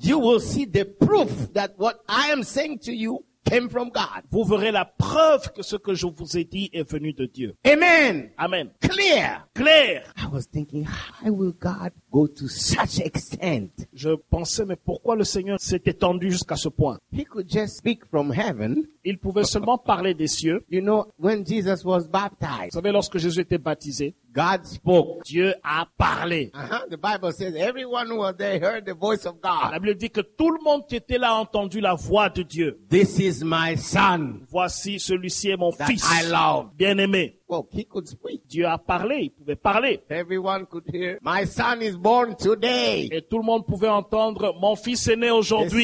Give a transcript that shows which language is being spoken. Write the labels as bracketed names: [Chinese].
[English] You will see the proof that what I am saying to you. Came from God. [French] Vous verrez la preuve que ce que je vous ai dit est venu de Dieu. [English] Amen. [French] Amen. [English] Clear. [French] Clair. [English] I was thinking, how will God go to such extent? [French] Je pensais, mais pourquoi le Seigneur s'est étendu jusqu'à ce point? [English] He could just speak from heaven. [French] Il pouvait seulement parler des cieux. [English] You know, when Jesus was baptized. [French] Vous savez, lorsque Jésus était baptisé. [English] God spoke. [French] Dieu a parlé. [English] The Bible says everyone who was there heard the voice of God. [French] La Bible dit que tout le monde qui était là a entendu la voix de Dieu. [English] This is my son. [French] Voici celui-ci est mon fils. [English] I love. [French] Bien-aimé. [English] Well, he could speak. [French] Dieu a parlé, il pouvait parler. [English] Everyone could hear. My son is born today. [French] Et tout le monde pouvait entendre, mon fils est né aujourd'hui.